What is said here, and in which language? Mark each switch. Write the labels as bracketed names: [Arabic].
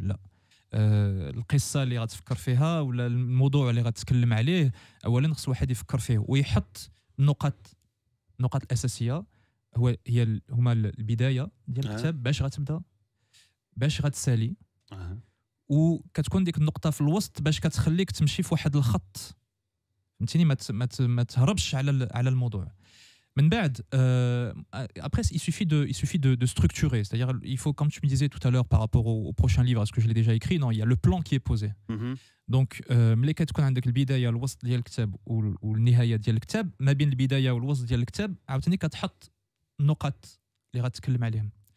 [Arabic] لا القصه اللي غتفكر فيها ولا الموضوع اللي غتكلم عليه اولا خص الواحد يفكر فيه ويحط النقط الاساسيه، هو هي هما البدايه ديال الكتاب باش غتبدا باش غتسالي وكتكون ديك النقطه في الوسط باش كتخليك تمشي في واحد الخط، فهمتيني؟ ما تهربش على الموضوع. من بعد [French] après il suffit de structurer, c'est-à-dire il faut comme tu me disais tout à l'heure par rapport au prochain livre, est-ce que je l'ai déjà écrit? Non, il y a le plan qui est posé. [Arabic] Donc ملي كتكون عندك البدايه والوسط ديال الكتاب والنهايه ديال الكتاب، ما بين البدايه والوسط ديال الكتاب عاوتاني كتحط النقط اللي غتكلم عليهم.